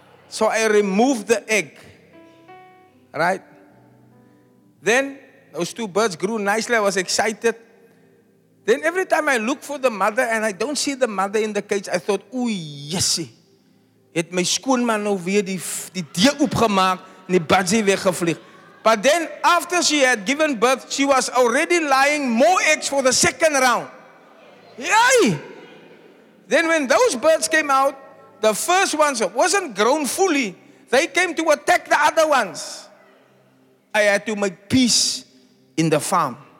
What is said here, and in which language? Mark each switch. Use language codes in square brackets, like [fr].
[en] So I removed the egg, right? Then those 2 birds grew nicely, I was excited. Then every time I look for the mother and I don't see the mother in the cage, I thought, ooh, yesie. [af] Het my skoonman nou weer die deur oopgemaak en die budgie weggevlieg. [en] But then after she had given birth, she was already laying more eggs for the second round. Yay! Then when those birds came out, the first ones wasn't grown fully. They came to attack the other ones. I had to make peace in the farm.